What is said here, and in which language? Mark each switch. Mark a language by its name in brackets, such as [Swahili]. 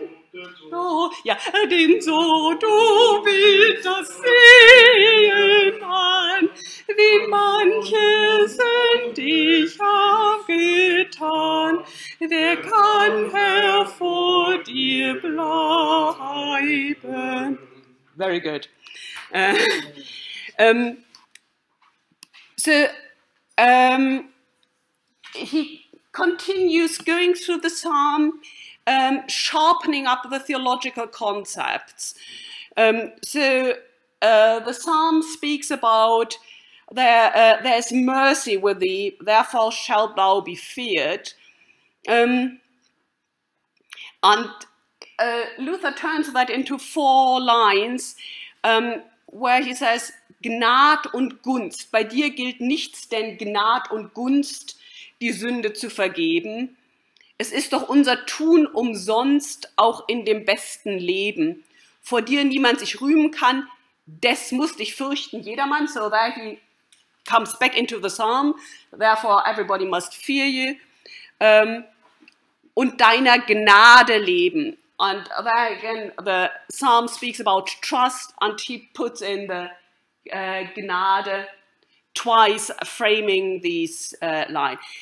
[German] Denn so du willst das sehen an, wie manche Sünd ich hab getan, wer kann Herr vor dir bleiben. [English] Very good. He continues going through the psalm, sharpening up the theological concepts. The psalm speaks about there's mercy with thee, therefore shalt thou be feared. Luther turns that into four lines, where he says, [German] Gnad und Gunst, bei dir gilt nichts, denn Gnad und Gunst, die Sünde zu vergeben. Es ist doch unser Tun umsonst, auch in dem besten Leben. Vor dir niemand sich rühmen kann, des muss dich fürchten jedermann. [English] So there he comes back into the psalm, therefore everybody must fear you. [German] Und deiner Gnade leben. [English] And there again, the psalm speaks about trust, and he puts in the Gnade twice, framing these lines.